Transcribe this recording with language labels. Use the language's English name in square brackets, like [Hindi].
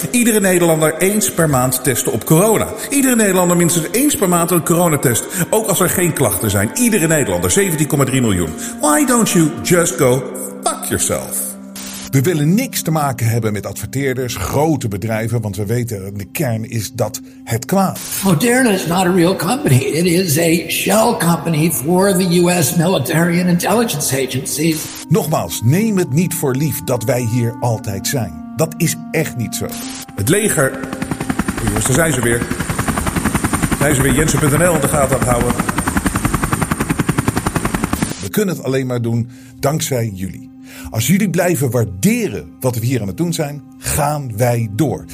[Dutch] Iedere Nederlander eens per maand testen op corona. Iedere Nederlander minstens eens per maand een coronatest. Ook als er geen klachten zijn. Iedere Nederlander, 17,3 miljoen. [English] Why don't you just go fuck yourself? [Dutch] We willen niks te maken hebben met adverteerders, grote bedrijven, want we weten de kern is dat het kwaad. [English] Moderna is not a real company. It is a shell company for the US military and intelligence agencies. [Dutch] Nogmaals, neem het niet voor lief dat wij hier altijd zijn. Dat is echt niet zo. Het leger. Jongens, daar zijn ze weer. Zijn ze weer Jensen.nl in de gaten aan het houden. We kunnen het alleen maar doen dankzij jullie. Als jullie blijven waarderen wat we hier aan het doen zijn, gaan wij door.